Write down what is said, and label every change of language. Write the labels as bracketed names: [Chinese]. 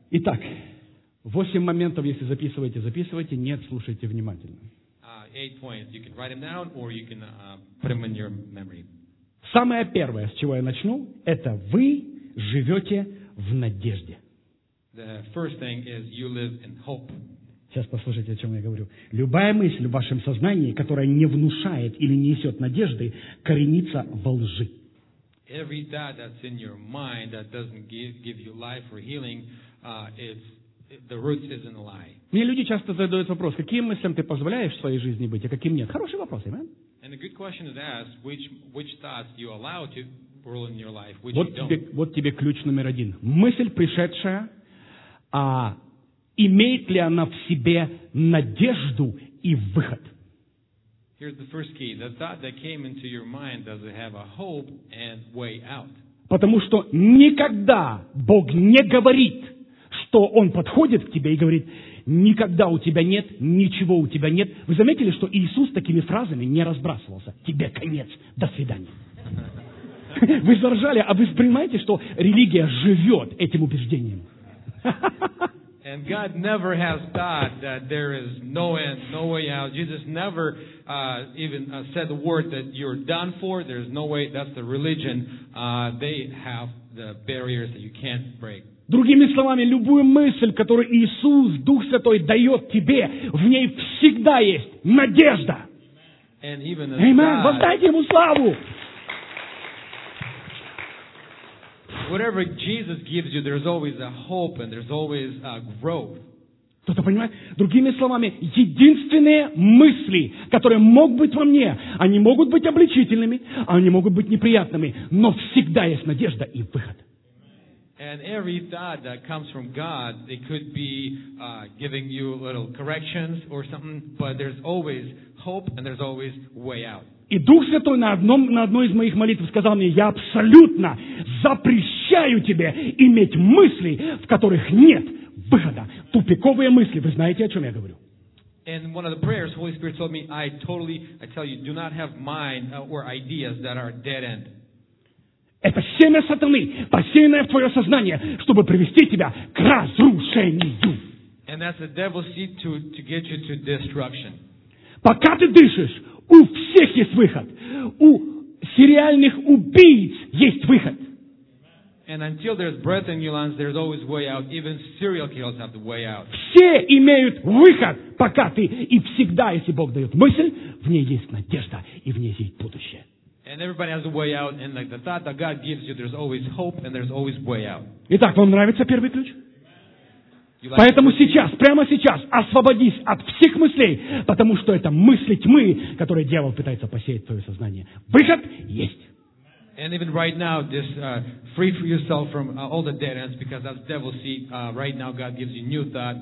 [Russian] Итак, 8 моментов, если записываете, записывайте, нет, слушайте внимательно. [English] 8 points. You can write them down or you can put them in your memory. [Russian] Самое первое, с чего я начну, это вы живете в надежде. [English] The first thing is you live in hope. [Russian] Сейчас послушайте, о чем я говорю. Любая мысль в вашем сознании, которая не внушает или несет надежды, коренится во лжи. [English] Every thought that's in your mind that doesn't give you life or healing, it's the roots is in a lie. [Russian] Мне люди часто задают вопрос, каким мыслям ты позволяешь в своей жизни быть, а каким нет. Хороший вопрос, amen? [English] And a good question is asked, which thoughts you allow to rule in your life, which [Russian] вот [English] you don't. [Russian] Вот тебе ключ номер один. Мысль, пришедшая, а имеет ли она в себе надежду и выход? [English] Here's the first key. The thought that came into your mind, does it have a hope and way out? [Russian] Потому что никогда Бог не говорит, что Он подходит к тебе и говорит, никогда у тебя нет, ничего у тебя нет. Вы заметили, что Иисус такими фразами не разбрасывался? Тебе конец. До свидания. Вы заржали, а вы понимаете, что религия живет этим убеждением? [English] And God never has thought that there is no end, no way out. Jesus never even said the word that you're done for. There's no way. That's the religion. They have the barriers that you can't break. [Russian] Другими словами, любую мысль, которую Иисус, Дух Святой, дает тебе, в ней всегда есть надежда. [English] And even as Amen. [Russian] God, воздайте Ему славу! [English] Whatever Jesus gives you, there's always a hope and there's always a growth. [Russian] Кто-то понимает? Другими словами, единственные мысли, которые могут быть во мне, они могут быть обличительными, они могут быть неприятными, но всегда есть надежда и выход. [English] And every thought that comes from God, it could be giving you little corrections or something, but there's always hope and there's always way out. [Russian] И Дух Святой на одной из моих молитв сказал мне, я абсолютно запрещаю тебе иметь мысли, в которых нет выхода. Тупиковые мысли, вы знаете, о чем я говорю. [English] And one of the prayers, Holy Spirit told me, I tell you, do not have mind or ideas that are dead end. [Russian] Это семя сатаны, посеянное в твое сознание, чтобы привести тебя к разрушению. [English] And that's the devil's seed to get you to destruction. [Russian] Пока ты дышишь, у всех есть выход. У сериальных убийц есть выход. [English] And until there's breath in your lungs, there's always way out. Even serial killers have the way out. [Russian] Все имеют выход, пока ты, и всегда, если Бог дает мысль, в ней есть надежда, и в ней есть будущее. [English] And everybody has a way out, and like the thought that God gives you, there's always hope, and there's always way out. [Russian] Итак, вам нравится первый ключ? Поэтому сейчас, прямо сейчас, освободись от всех мыслей, потому что это мысли тьмы, которые дьявол пытается посеять в твое сознание. Выход есть. [English] And even right now, just free for yourself from all the dead ends, because that's devil's seed. Right now, God gives you new thought.